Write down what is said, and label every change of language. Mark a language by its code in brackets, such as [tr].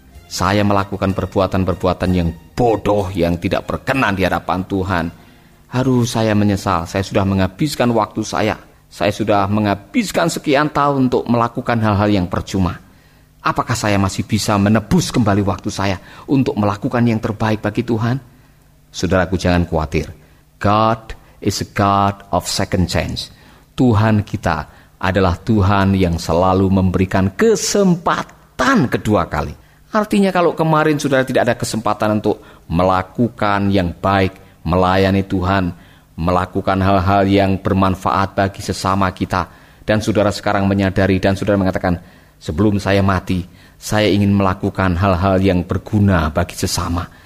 [id] Saya melakukan perbuatan-perbuatan yang bodoh, yang tidak berkenan di hadapan Tuhan. Aduh, saya menyesal, saya sudah menghabiskan waktu saya. Saya sudah menghabiskan sekian tahun untuk melakukan hal-hal yang percuma. Apakah saya masih bisa menebus kembali waktu saya untuk melakukan yang terbaik bagi Tuhan? Saudaraku, jangan khawatir. [en] God is a God of second chance. [id] Tuhan kita adalah Tuhan yang selalu memberikan kesempatan kedua kali. Artinya kalau kemarin saudara tidak ada kesempatan untuk melakukan yang baik, melayani Tuhan, melakukan hal-hal yang bermanfaat bagi sesama kita, dan saudara sekarang menyadari dan saudara mengatakan, sebelum saya mati, saya ingin melakukan hal-hal yang berguna bagi sesama.